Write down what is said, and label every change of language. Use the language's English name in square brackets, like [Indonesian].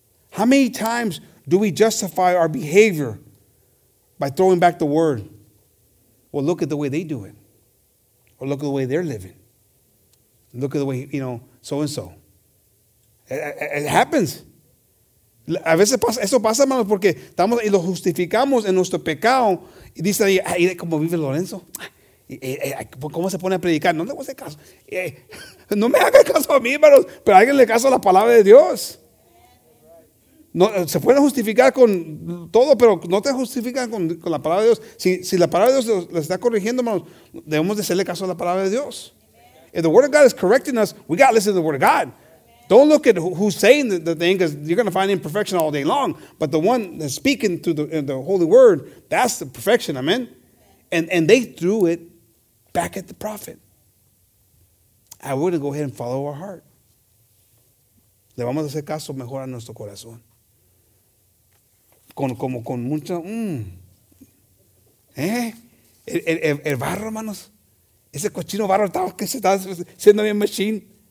[English] How many times do we justify our behavior by throwing back the word? Well, look at the way they do it. Or look at the way they're living. Look at the way, you know, so-and-so. It happens. [Spanish] A veces pasa, eso pasa, hermanos, porque estamos y lo justificamos en nuestro pecado. Y dicen ahí, ¿cómo vive Lorenzo? ¿Cómo se pone a predicar? No le voy a hacer caso. No me haga caso a mí, hermanos, pero háganle caso a la palabra de Dios. No, se puede justificar con todo, pero no te justifican con la palabra de Dios. Si la palabra de Dios le está corrigiendo, hermanos, debemos de hacerle caso a la palabra de Dios. [English] Amen. If the word of God is correcting us, we got to listen to the word of God. Amen. Don't look at who's saying the thing, because you're going to find imperfection all day long. But the one that's speaking to the holy word, that's the perfection, amen? Amen. And they threw it back at the prophet. I wouldn't go ahead and follow our heart. [Spanish] Le vamos a hacer caso mejor a nuestro corazón. Con mucha. El barro, hermanos. Ese cochino barro que se está haciendo bien machine.